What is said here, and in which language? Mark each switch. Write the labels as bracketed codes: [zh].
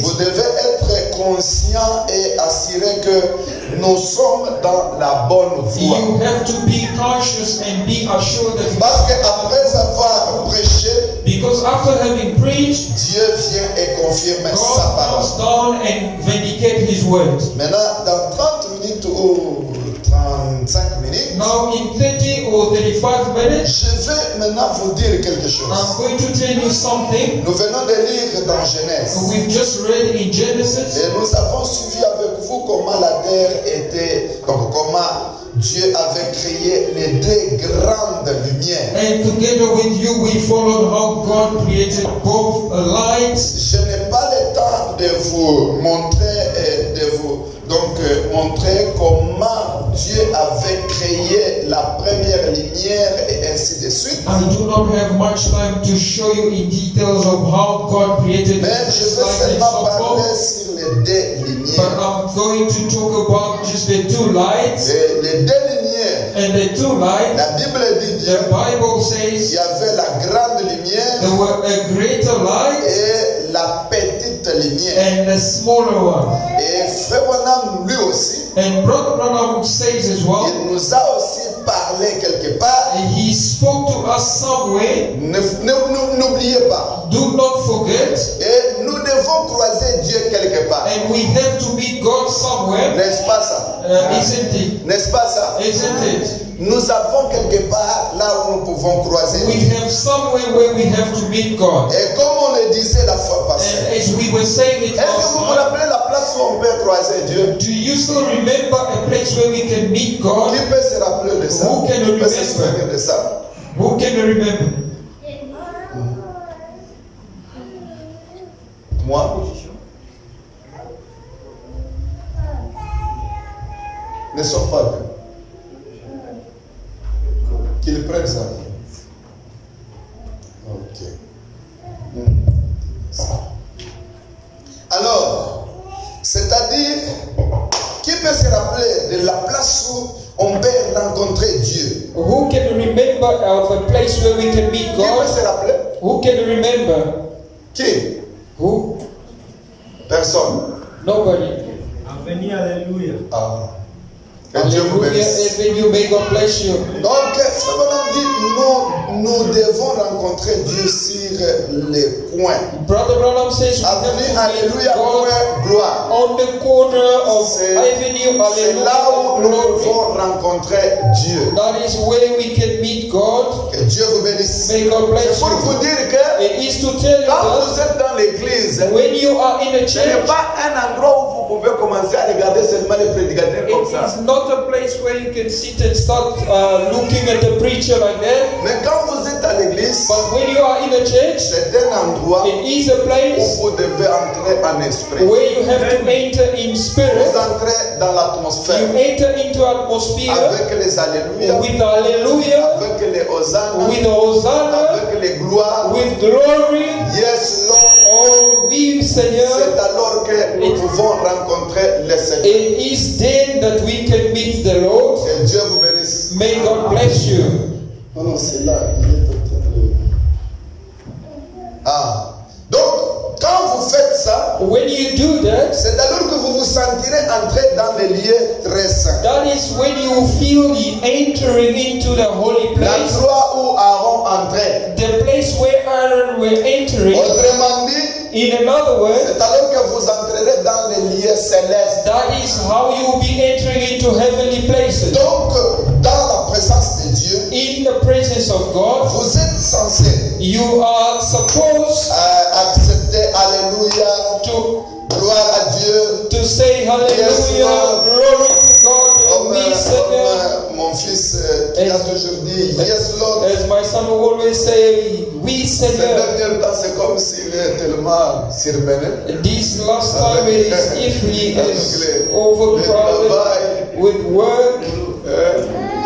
[fr] vous devez être conscient et assuré que nous sommes dans la bonne voie. [en] You have to be conscious and be assured that. [fr] Parce qu'après avoir prêché, [en] because after having preached, [fr] Dieu vient et confirme sa parole. [en] God comes down and vindicate his word. [fr] Maintenant, dans 30 minutes ou 35 minutes, [en] now in 30 or 35 minutes, [fr] je vais maintenant vous dire quelque chose. [en] I'm going to tell you something. [fr] Nous venons de lire dans Genèse. [en] We've just read in Genesis. [fr] Et nous avons suivi avec vous comment la terre était, donc comment Dieu avait créé les deux grandes lumières. [en] And together with you, we followed how God created both lights. [fr] Je n'ai pas le temps de vous montrer et de vous donc montrer comment Dieu avait créé la première lumière et ainsi de suite. [en] I do not have much time to show you in details of how God created. [fr] Mais je vais seulement parler sur les deux lumières. [en] But I'm going to talk about just the two lights. [fr] Les deux lumières. [en] And the two lights. [fr] La Bible dit bien. [en] The Bible says. [fr] Il y avait la grande lumière. [en] There were a greater light. [fr] Et la petite lumière. [en] And the smaller one. [fr] Et Frère Branham lui aussi. [en] And Brother Branham says as well. [fr] Il nous a aussi parlé quelque part. [en] And he spoke to us somewhere. [fr] N'oubliez pas. [en] Do not forget. [fr] Et nous devons croiser Dieu quelque part. [en] And we have to meet God somewhere. [fr] N'est-ce pas ça? [en] Isn't it? [fr] N'est-ce pas ça? [en] Isn't it? [fr] Nous avons quelque part là où nous pouvons croiser. [en] We have somewhere where we have to meet God. [fr] Et comme on le disait la fois passée. [en] As we were saying it. [fr] Est-ce que vous rappelez la place où on peut croiser Dieu? [en] Do you still remember a place where we can meet God? [fr] Qui peut se rappeler de ça? [en] Who can [fr] Qui [en] remember? [fr] Peut se rappeler de ça? [en] Who can remember? [fr] Moi? Ne sors pas de. Qu'il prenne ça. Ok. Alors, c'est-à-dire, qui peut se rappeler de la place où on peut rencontrer Dieu? [en] Who can remember of a place where we can meet God? [fr] Qui peut se rappeler? [en] Who can remember? [fr] Qui? [en] Who? [fr] Personne. [en] Nobody. [fr] Amen. Alléluia. Ah. Que Dieu vous bénisse. [en] May you, may God bless you. [fr] Donc, Frère Branham dit, nous devons rencontrer Dieu sur les coins. [en] Brother Branham says, avenue [fr] Alléluia, point, gloire. [en] On the corner of Avenue Alléluia. [fr] C'est là où nous devons rencontrer Dieu. [en] That is where we can meet God. [fr] Que Dieu vous bénisse. [en] May God bless [fr] C'est pour [en] you. [fr] Vous dire que [en] it is to tell [fr] quand [en] you [fr] vous êtes dans l'église, [en] when you are in a church, [fr] ce n'est pas un endroit où vous pouvez commencer à regarder seulement les prédicateurs comme ça. [en] Not a place where you can sit and start looking at the preacher like that. [fr] Mais quand vous êtes à l'église, [en] but when you are in a church, [fr] c'est un endroit, [en] it is a place [fr] où vous devez entrer en esprit, [en] where you have to enter in spirit. [fr] Vous entrez dans l'atmosphère, [en] you enter into atmosphere [fr] avec les alléluia, [en] with alléluia, [fr] avec les hosanna, [en] with hosanna, [fr] avec les gloires, [en] with glory. Yes, Lord. [fr] Oh, oui, Seigneur. C'est alors que nous pouvons rencontrer le Seigneur. [en] It is then that we can meet the Lord. [fr] Que Dieu vous bénisse. [en] May God bless you. [fr] Non, non, c'est là. Il est en train de. Ah. Donc, quand vous faites ça, [en] when you do that, [fr] c'est alors que vous vous sentirez entrer dans les lieux très saints. [en] That is when you feel the entering into the holy place. [fr] La croix où Aaron entrait. [en] The place where Aaron were entering. [fr] Autrement dit, [en] in another word, [fr] c'est alors que vous entrerez dans les lieux célestes. [en] That is how you will be entering into heavenly places. [fr] Donc, dans la présence de Dieu, [en] in the presence of God, [fr] vous êtes censé, [en] you are supposed, [fr] accepter alléluia, [en] to [fr] gloire à Dieu, [en] to say alléluia, glory to God. [fr] Mon fils, qui as toujours dit, [en] yes Lord. As my son always say, [fr] oui Seigneur. Ce dernier temps, c'est comme s'il est tellement surmené. [en] This last time, it is if he is overcrowded with work.